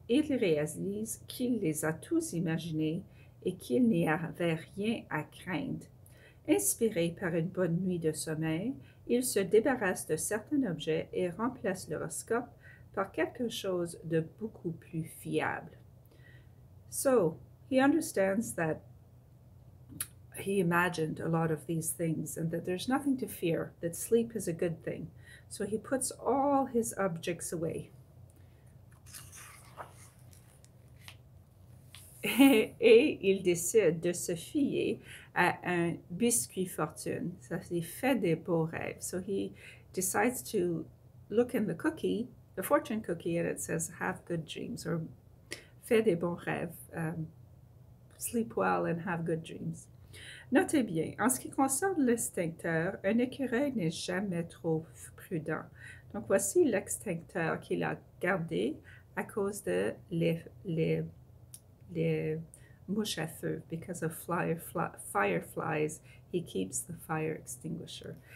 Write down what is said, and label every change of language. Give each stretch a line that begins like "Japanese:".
French: Il réalise qu'il les a tous imaginés et qu'il n'y avait rien à craindre. Inspiré par une bonne nuit de sommeil, il se débarrasse de certains objets et remplace l'horoscope par quelque chose de beaucoup plus fiable.
English: So, he understands that he imagined a lot of these things and that there's nothing to fear, that sleep is a good thing. So he puts all his objects away.
French: Et il décide de se fier à un biscuit fortune. Ça, il fait des beaux rêves.
English: So he decides to look in the cookie, the fortune cookie, and it says have good dreams or
French: fait des bons rêves.
English: Sleep well and have good dreams.
French: Notez bien, en ce qui concerne l'extincteur, un écureuil n'est jamais trop prudent. Donc voici l'extincteur qu'il a gardé à cause de les mouches à feu,
English: because of fireflies, he keeps the fire extinguisher.